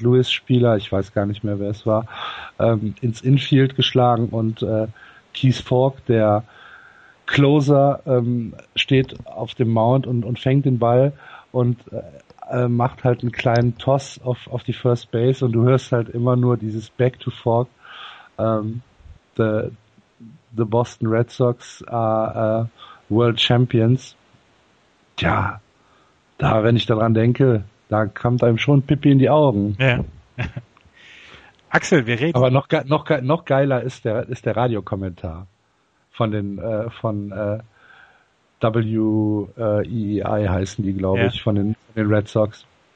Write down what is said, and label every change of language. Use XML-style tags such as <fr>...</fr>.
<de>Louis Spieler, ich weiß gar nicht mehr, wer es war, ins Infield geschlagen und Keith Fork, der Closer, steht auf dem Mound und fängt den Ball und macht halt einen kleinen Toss auf die First Base und du hörst halt immer nur dieses Back to Fork.</de> <en>The Boston Red Sox are World Champions.</en> <de>Tja, da, wenn ich daran denke, da kommt einem schon Pippi in die Augen. Ja. Axel, wir reden. Aber noch geiler ist der Radiokommentar von den WEEI heißen die, glaube ich, von den Red Sox.</de>